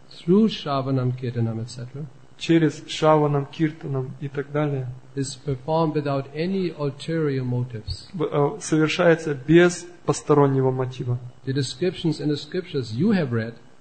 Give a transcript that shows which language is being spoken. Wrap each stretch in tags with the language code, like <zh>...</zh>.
<en>through Shravanam, Kirtanam, etc.,</en> <ru>через Шраванам, Киртанам и так далее</ru> <en>is performed without any ulterior motives.</en> <ru>Совершается без постороннего мотива.</ru> <en>The descriptions in the scriptures you have read,</en>